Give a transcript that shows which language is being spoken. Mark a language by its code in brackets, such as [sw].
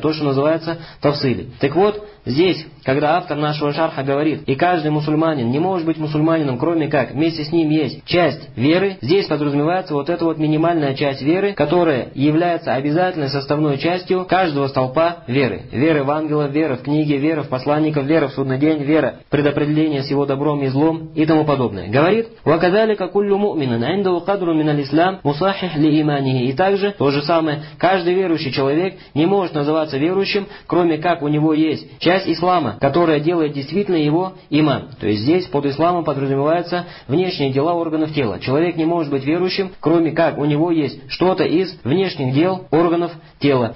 [ru] То, что называется тафсили. Так вот, здесь, когда автор нашего шарха говорит, и каждый мусульманин не может быть мусульманином, кроме как вместе с ним есть часть веры, здесь подразумевается вот эта вот минимальная часть веры, которая является обязательной составной частью каждого столпа веры. Веры в ангелов, веры в книги, веры в посланников, веры в судный день, вера в предопределение с его добром и злом и тому подобное. Говорит, [ar] وَكَذَلِكَ كُلُّ مُؤْمِنًا عِنْدَهُ قَدْرٌ مِنَ الْإِسْلَامِ مُصَحِّحٌ لِإِيمَانِهِ. [ru] И также, то же самое, каждый верующий человек не может называться верующим, кроме как у него есть часть ислама, которая делает действительно его иман. То есть здесь под исламом подразумеваются внешние дела органов тела. Человек не может быть верующим, кроме как у него есть что-то из внешних дел органов тела.